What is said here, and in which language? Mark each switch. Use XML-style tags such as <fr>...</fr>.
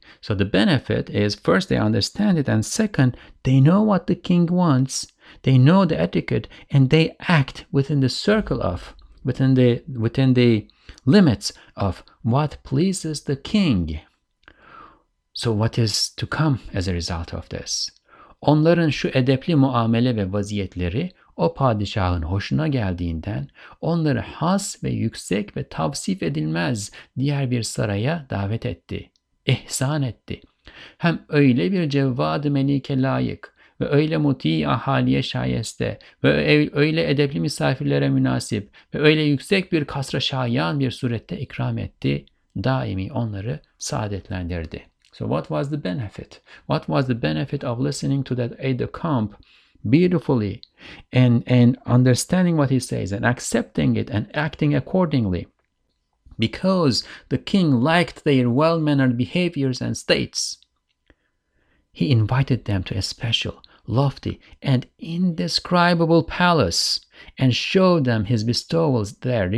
<en>So the benefit is, first, they understand it, and second, they know what the king wants, they know the etiquette, and they act within the circle of, within the limits of what pleases the king. So what is to come as a result of this?</en> <tr>Onların şu edepli muamele ve vaziyetleri o padişahın hoşuna geldiğinden onları has ve yüksek ve tavsif edilmez diğer bir saraya davet etti. İhsan etti. Hem öyle bir cevvad-ı melike layık ve öyle muti ahaliye şayeste ve öyle edepli misafirlere münasip ve öyle yüksek bir kasra şayan bir surette ikram etti, daimi onları saadetlendirdi.</tr> <en>So what was the benefit? What was the benefit of listening to that aide-de-camp beautifully and understanding what he says and accepting it and acting accordingly? Because the king liked their well-mannered behaviors and states, he invited them to a special, lofty, and indescribable palace and showed them his bestowals there.</en>